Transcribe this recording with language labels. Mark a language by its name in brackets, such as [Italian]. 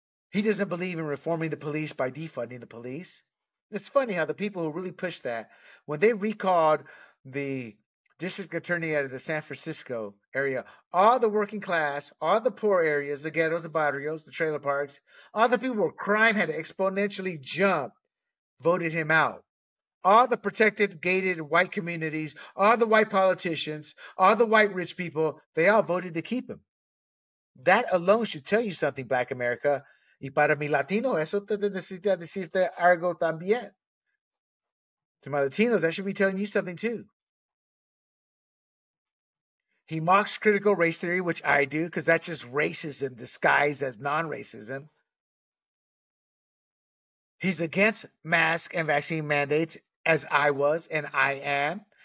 [English] He doesn't believe in reforming the police by defunding the police. It's funny how the people who really pushed that, when they recalled the district attorney out of the San Francisco area, all the working class, all the poor areas, the ghettos, the barrios, the trailer parks, all the people where crime had exponentially jumped, voted him out. All the protected, gated white communities, all the white politicians, all the white rich people, they all voted to keep him. That alone should tell you something, Black America. [Spanish] Y para mi Latino, eso te necesita decirte algo también. [English] To my Latinos, that should be telling you something too. He mocks critical race theory, which I do, because that's just racism disguised as non-racism. He's against mask and vaccine mandates, as I was and I am.